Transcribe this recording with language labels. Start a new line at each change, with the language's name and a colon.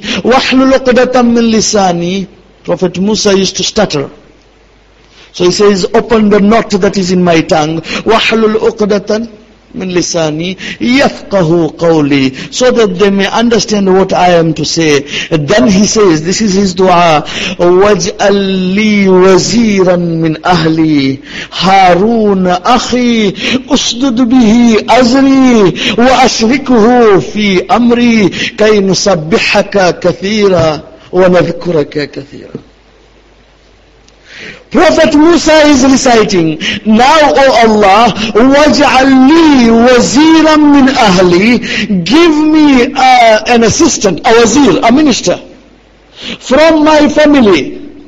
Arabic: وَحْلُلْ عُقْدَةً مِّن لِسَانِي.
English: Prophet Musa used to stutter. So he says, "Open the knot that is in my tongue.
Arabic: وَحْلُلْ عُقْدَةً مِّن لِسَانِي يَفْقَهُ قَوْلِي,"
English: so that they may understand what I am to say. And then he says, this is his dua,
Arabic: "وَجْأَلْ لِي وَزِيرًا مِّن أَهْلِي هَارُونَ أَخِي أُسْدُدْ بِهِ أَزْرِي وَأَشْرِكُهُ فِي أَمْرِي كَيْ نُسَبِّحَكَ كَثِيرًا وَنَذْكُرَكَ كَثِيرًا."
English: Prophet Musa is reciting, "Now, O Allah,
Arabic: waj'al li waziran min ahli,"
English: give me an assistant, a wazir, a minister, from my family.